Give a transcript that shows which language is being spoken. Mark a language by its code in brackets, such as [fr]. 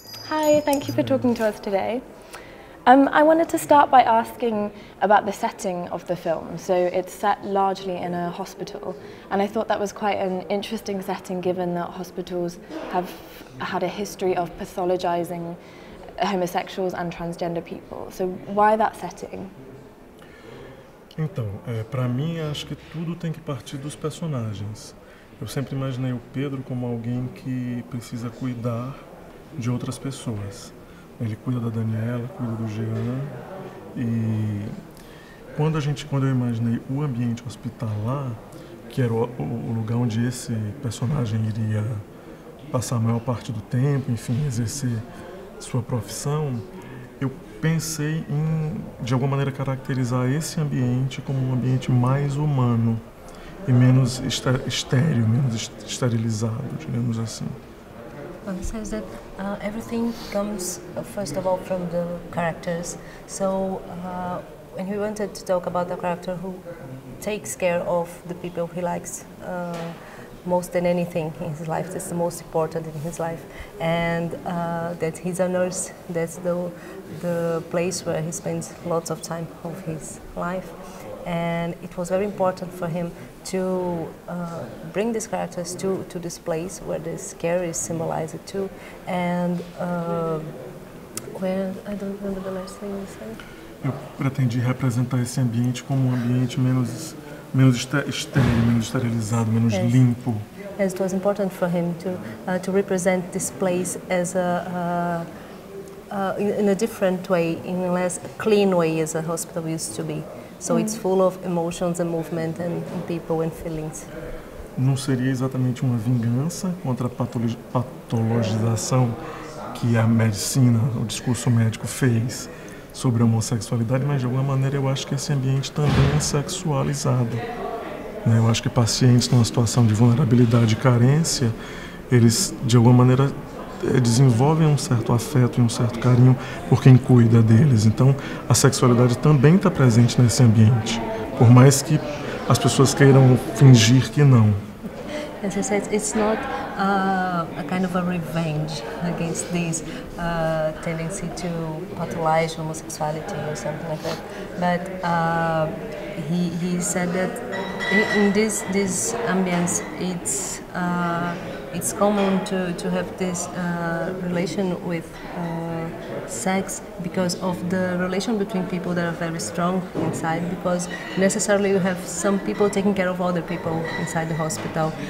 [en] Hi, thank you for talking to us today. I wanted to start by asking about the setting of the film. So it's set largely in a hospital, and I thought that was quite an interesting setting given that hospitals have had a history of pathologizing homosexuals and transgender people. So why that setting? [pt] Então, para mim acho que tudo tem que partir dos personagens. Eu sempre imaginei o Pedro como alguém que precisa cuidar de outras pessoas. Ele cuida da Daniela, cuida do Jean, e quando eu imaginei o ambiente hospitalar, que era o lugar onde esse personagem iria passar a maior parte do tempo, enfim, exercer sua profissão, eu pensei em, de alguma maneira, caracterizar esse ambiente como um ambiente mais humano e menos estéril, menos esterilizado, digamos assim. [en] Well, he says that everything comes, first of all, from the characters. So when he wanted to talk about the character who takes care of the people he likes most than anything in his life, that's the most important in his life, and that he's a nurse, that's the place where he spends lots of time of his life. And it was very important for him to bring these characters to this place where this care is symbolized too. And I don't remember the last thing you said. [pt] Eu pretendi representar esse ambiente como um ambiente menos estéril, menos esterilizado, menos limpo. [en] Yes, it was important for him to represent this place as in a different way, in a less clean way as a hospital used to be. So it's full of emotions and movement and people and feelings. [pt] Não seria exatamente uma vingança contra a patologização que a medicina, o discurso médico fez sobre a homossexualidade, mas de alguma maneira eu acho que esse ambiente também é sexualizado. Eu acho que pacientes numa situação de vulnerabilidade e carência, eles de alguma maneira desenvolvem um certo afeto e um certo carinho por quem cuida deles. Então, a sexualidade também está presente nesse ambiente, por mais que as pessoas queiram fingir que não. [en] As I said, it's not a kind of a revenge against this tendency to pathologize homosexuality or something like that. But he said that in this ambience, it's common to have this relation with sex because of the relation between people that are very strong inside, because necessarily you have some people taking care of other people inside the hospital.